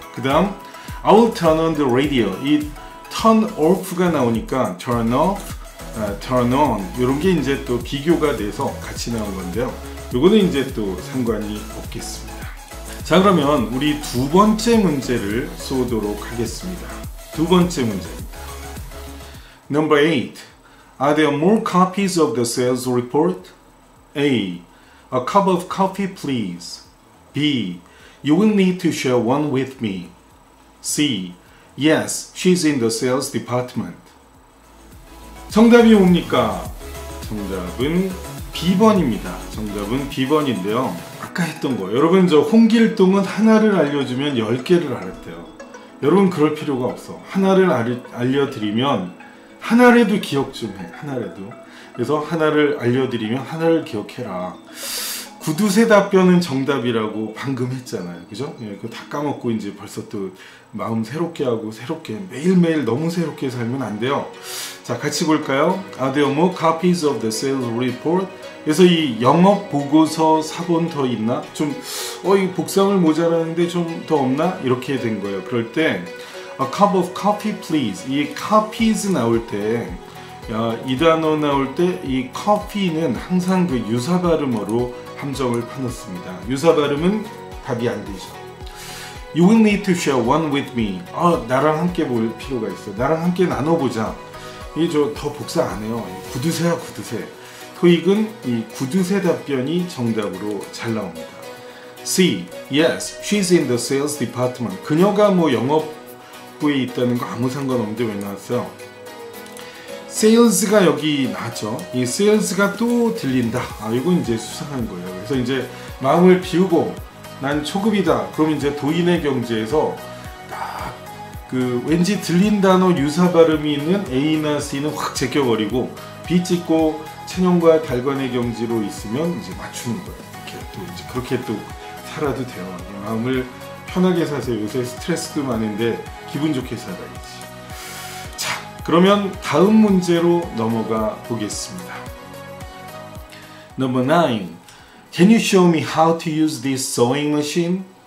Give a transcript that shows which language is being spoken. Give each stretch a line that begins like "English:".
Korean: 그 다음,
English: I will turn on the radio. 이 turn off가
Korean: 나오니까
English: turn off, turn on.
Korean: 이런 게 이제 또 비교가 돼서 같이 나온 건데요. 요거는 이제 또 상관이 없겠습니다. 자, 그러면 우리 두 번째 문제를 쏘도록 하겠습니다. 두 번째 문제입니다.
English: Number 8. Are there more copies of the sales report? A. A cup of coffee, please. B. You will need to share one with me. C. Yes, she's in the sales department.
Korean: 정답이 뭡니까? 정답은 B번입니다. 정답은 B번인데요. 아까 했던 거 여러분, 저 홍길동은 하나를 알려주면 열 개를 알았대요. 여러분 그럴 필요가 없어. 하나를 알려드리면 하나라도 기억 좀 해. 하나라도. 그래서 하나를 알려드리면 하나를 기억해라. 굿의 답변은 정답이라고 방금 했잖아요. 그죠? 그거 다 까먹고 이제 벌써 또 마음 새롭게 하고 새롭게 매일매일 너무 새롭게 살면 안 돼요. 자, 같이 볼까요?
English: Are there more copies of the sales report?
Korean: 그래서 이 영업 보고서 사본 더 있나? 좀 이 복사물 모자라는데 좀 더 없나? 이렇게 된 거예요. 그럴 때
English: A cup of coffee please.
Korean: 이 copies 나올 때 이 단어 나올 때 이 coffee는 항상 그 유사 발음으로 함정을 파놓습니다. 유사 발음은 답이 안 되죠.
English: You will need to share one with me.
Korean: 나랑 함께 볼 필요가 있어. 나랑 함께 나눠보자. 이게 저 더 복사 안 해요. 굿으세요, 굿으세. 토익은 이 굿의 답변이 정답으로 잘 나옵니다.
English: C. Yes, she's in the sales department.
Korean: 그녀가 뭐 영업부에 있다는 거 아무 상관없는데 왜 나왔어요? 세일즈가 여기 나죠. 이 세일즈가 또 들린다. 아, 이건 이제 수상한 거예요. 그래서 이제 마음을 비우고 난 초급이다. 그럼 이제 도인의 경지에서 딱 그 왠지 들린 단어 유사 발음이 있는 A나 C는 확 제껴버리고 B 찍고 천연과 달관의 경지로 있으면 이제 맞추는 거예요. 이렇게 또 이제 그렇게 또 살아도 돼요. 마음을 편하게 사세요. 요새 스트레스도 많은데 기분 좋게 살아야지. 자, 그러면 다음 문제로 넘어가 보겠습니다.
English: Number 9. Can you show me how to use this sewing machine?